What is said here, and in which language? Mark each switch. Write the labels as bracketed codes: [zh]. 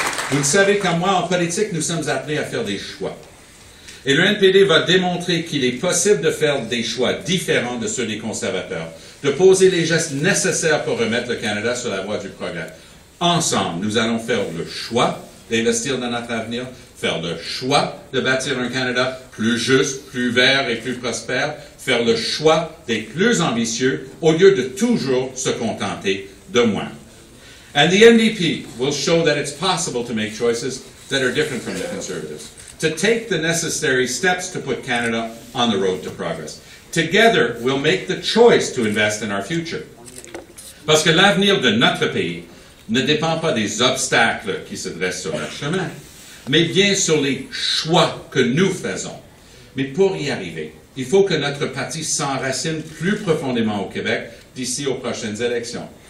[fr] Vous le savez comme moi, en politique, nous sommes appelés à faire des choix. Et le NPD va démontrer qu'il est possible de faire des choix différents de ceux des conservateurs, de poser les gestes nécessaires pour remettre le Canada sur la voie du progrès. Ensemble, nous allons faire le choix d'investir dans notre avenir, faire le choix de bâtir un Canada plus juste, plus vert et plus prospère, faire le choix d'être plus ambitieux au lieu de toujours se contenter de moins. [en] And the NDP will show that it's possible to make choices that are different from the Conservatives, to take the necessary steps to put Canada on the road to progress. Together, we'll make the choice to invest in our future. [fr] Parce que l'avenir de notre pays ne dépend pas des obstacles qui se dressent sur notre chemin, mais bien sur les choix que nous faisons. Mais pour y arriver, il faut que notre parti s'enracine plus profondément au Québec d'ici aux prochaines élections.